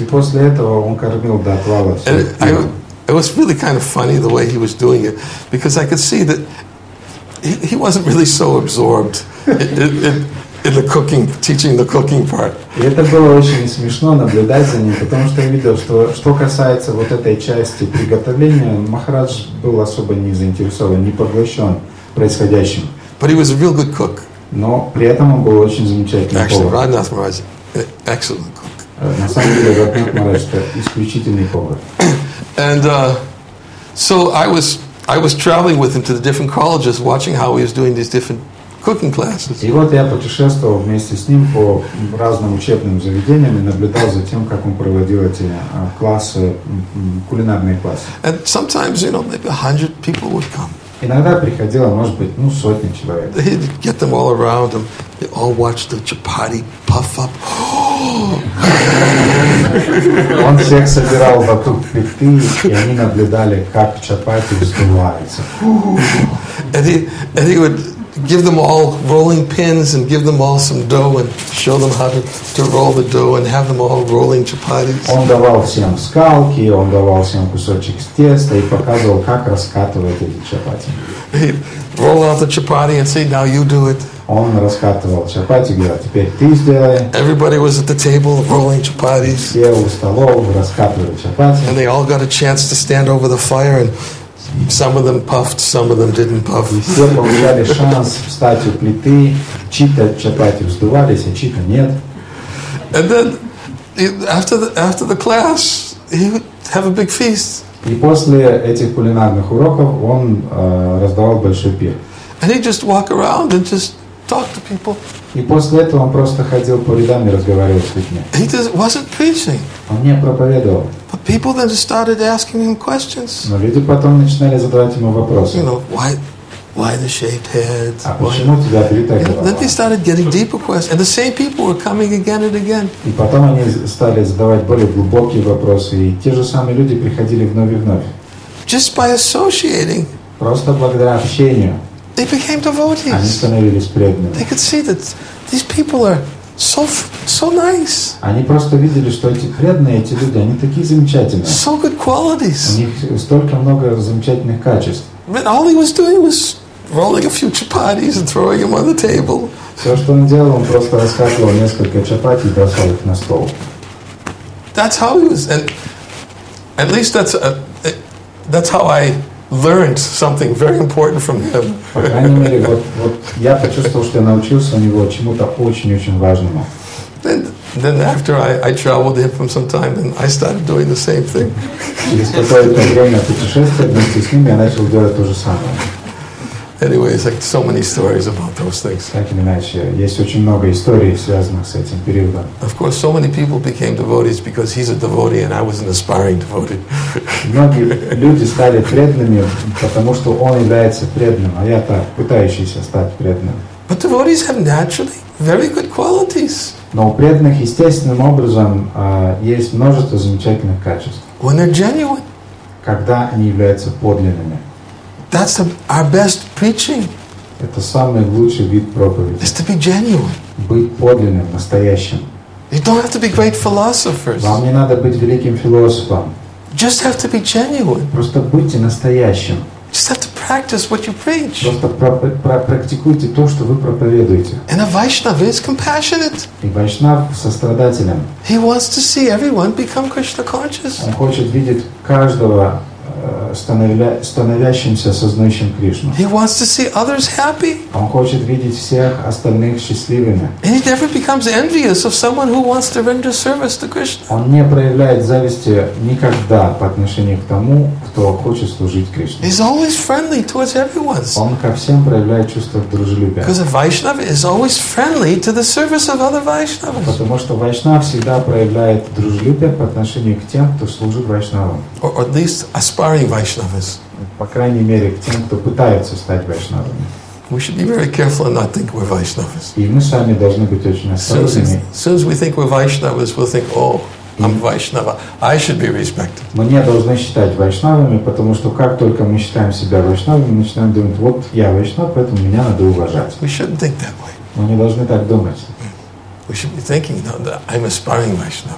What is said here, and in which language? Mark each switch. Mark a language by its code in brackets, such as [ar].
[ru] И после этого он кормил до отвала всех. [en] And it was really kind of funny the way he was doing it, because I could see that he wasn't really so absorbed. In the cooking, teaching the cooking part. [ru] И это было очень смешно наблюдать за ним, потому что я видел, что касается вот этой части приготовления, Махарадж был особо не заинтересован, не поглощен происходящим. [en] But he was a real good cook. [ru] Но при этом он был очень замечательный повар. [en] Actually, Radhanath Maharaj, excellent cook. [ru] На самом деле, Радхнат Махарадж это исключительный повар. [en] And so I was traveling with him to the different colleges, watching how he was doing these different cooking classes. [ru] И вот я путешествовал вместе с ним по разным учебным заведениям и наблюдал за тем, как он проводил эти классы, кулинарные классы. [en] And sometimes, you know, maybe 100 people would come. [ru] Иногда приходило, может быть, ну, сотни человек. [en] He'd get them all around him. They all watched the chapati puff up. [ru] Он всех собирал вокруг плиты, и они наблюдали, как чапати вздувается. [en] And he would give them all rolling pins and give them all some dough and show them how to roll the dough and have them all rolling chapatis. [ru] Он давал всем скалки, он давал всем кусочек теста и показывал, как раскатывать эти чапати. [en] He'd roll out the chapati and say, "Now you do it." [ru] Он раскатывал чапати, говорил, теперь ты сделай. [en] Everybody was at the table rolling chapatis. [ru] Все у столов раскатывали чапати. [en] And they all got a chance to stand over the fire and some of them puffed, some of them didn't puff. [ru] Все получали шанс встать у плиты, чьи-то чапати вздувались, а чьи-то нет. [en] And then after the class, he would have a big feast. [ru] И после этих кулинарных уроков он раздавал большой пир. [en] And he'd just walk around and just talk to people. [ru] И после этого он просто ходил по рядам и разговаривал с людьми. [en] He just wasn't preaching. [ru] Он не проповедовал. [en] But people then started asking him questions. [ru] Но люди потом начинали задавать ему вопросы. [en] You know, why the shaved head? [ru] А почему у тебя бритая голова? [en] Then they started getting deeper questions, and the same people were coming again and again. [ru] И потом они стали задавать более глубокие вопросы, и те же самые люди приходили вновь и вновь. [en] Just by associating. [ru] Просто благодаря общению. [en] They became devotees. [ru] Они становились преданными. [en] They could see that these people are so nice. [ru] Они просто видели, что эти преданные, эти люди, они такие замечательные. [en] So good qualities. [ru] У них столько много замечательных качеств. [en] And all he was doing was rolling a few chapatis and throwing them on the table. [ru] Все, что он делал, он просто раскатывал несколько чапати и бросал их на стол. [en] That's how he was, and at least that's how I learned something very important from him. [ru] По крайней мере, вот я почувствовал, что я научился у него чему-то очень-очень важному. [en] Then after I traveled him from some time, then I started doing the same thing. [ru] Через какое-то время путешествия вместе с ним я начал делать то же самое. [en] Anyway, it's like so many stories about those things. [ru] Так или иначе, есть очень много историй, связанных с этим периодом. [en] Of course, so many people became devotees because he's a devotee and I was an aspiring devotee. [ru] Многие люди стали преданными, потому что он является преданным, а я-то пытающийся стать преданным. [en] But devotees have naturally very good qualities. [ru] Но у преданных естественным образом есть множество замечательных качеств. [en] When they're genuine. [ru] Когда они являются подлинными. [en] That's our best preaching. [ru] Это самый лучший вид проповеди. [en] Is to be genuine. [ru] Быть подлинным, настоящим. [en] You don't have to be great philosophers. [ru] Вам не надо быть великим философом. [en] Just have to be genuine. [ru] Просто будьте настоящим. [en] Just have to practice what you preach. [ru] Просто практикуйте то, что вы проповедуете. [en] And a Vaishnava is compassionate. [ru] И Вайшнав сострадателен. [en] He wants to see everyone become Krishna conscious. [ru] Он хочет видеть каждого становящимся, осознающим Кришну. [en] He wants to see others happy. [ru] Он хочет видеть всех остальных счастливыми. [en] And he never becomes envious of someone who wants to render service to Krishna. [ru] Он не проявляет зависти никогда по отношению к тому, кто хочет служить Кришне. [en] He's always friendly towards everyone. [ru] Он ко всем проявляет чувство дружелюбия. [en] Because a Vaishnava is always friendly to the service of other Vaishnavas. [ru] Потому что Вайшнав всегда проявляет дружелюбие по отношению к тем, кто служит Вайшнавам. [en] Or at least aspiring Vaishnavas. [ru] По крайней мере, к тем, кто пытается стать Вайшнавами. [en] We should be very careful and not think we're Vaishnavas. [ru] И мы сами должны быть очень осторожными. [en] Soon as we think we're Vaishnavas, we'll think, oh, I'm Vaishnava. I should be respected. [ru] Мы не должны считать Вайшнавами, потому что как только мы считаем себя Вайшнавами, мы начинаем думать, вот я Вайшнав, поэтому меня надо уважать. [en] We shouldn't think that way. [ru] Мы не должны так думать. [en] We should be thinking, no, that I'm aspiring Vaishnava.